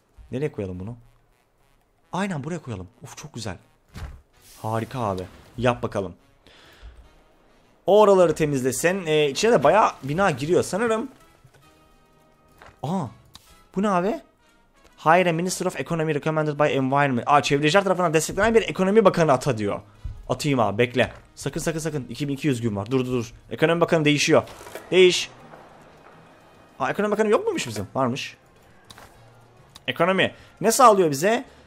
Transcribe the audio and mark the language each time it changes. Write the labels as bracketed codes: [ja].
[tr] Nereye koyalım bunu? Aynen buraya koyalım. Of çok güzel. Harika abi. Yap bakalım. O oraları temizlesin. İçine de bayağı bina giriyor sanırım. Aa. Bu ne abi? Hayır, [en] Minister of Economy recommended by environment. [tr] Aa, çevreciler tarafından desteklenen bir ekonomi bakanı ata diyor. Atayım abi, bekle. Sakın sakın sakın. 2200 gün var. Dur. Ekonomi bakanı değişiyor. Değiş. Aa, ekonomi bakanı yok muymuş bizim? Varmış. Ekonomi. Ne sağlıyor bize?